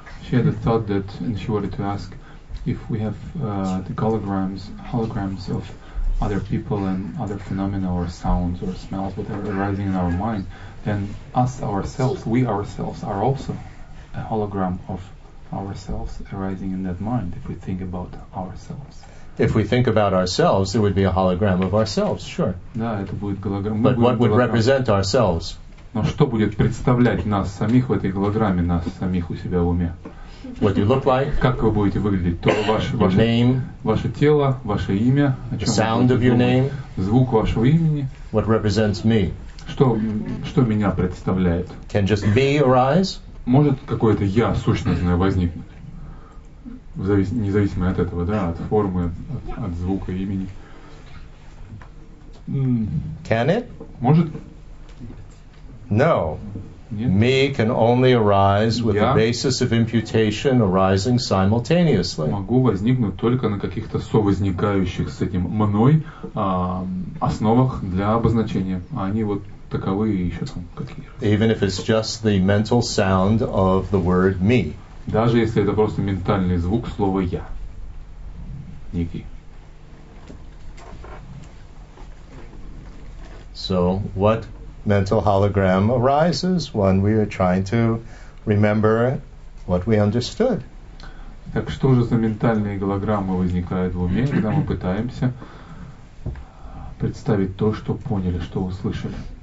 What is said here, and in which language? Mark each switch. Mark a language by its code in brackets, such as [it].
[en] She had a thought that, and she wanted to ask, if we have the holograms of other people and other phenomena or sounds or smells that are arising in our mind, then we ourselves are also a hologram of ourselves arising in that mind, if we think about ourselves. If we think about ourselves, it would be a hologram of ourselves, sure. [ru] Да, это будет голограмма. [en] But what would represent ourselves? [ru] Но что будет представлять нас самих в этой голограмме, нас самих у себя в уме? [en] What you look like? [ru] Как вы будете выглядеть? То ваше [en] name, [ru] ваше тело, ваше имя, [en] the sound of your name, [ru] звук вашего имени. [en] What represents me? [ru] Что меня представляет? [en] Can just be arise? [ru] Может какое-то я сущностное возникнуть? Независимо от этого, да, от формы, от звука имени. [en] Can it? [ru] Может? [en] No. Me can only arise with the basis of imputation arising simultaneously. [ru] Могу возникнуть только на каких-то совозникающих с этим мной основах для обозначения. Они вот таковы и еще там какие. [en] Even if it's just the mental sound of the word me. [ru] Даже если это просто ментальный звук слова я. Некий. [en] So what mental hologram arises when we are trying to remember what we understood. [ru] Так что же за ментальные голограммы возникают в уме, когда мы пытаемся представить то, что поняли, что услышали?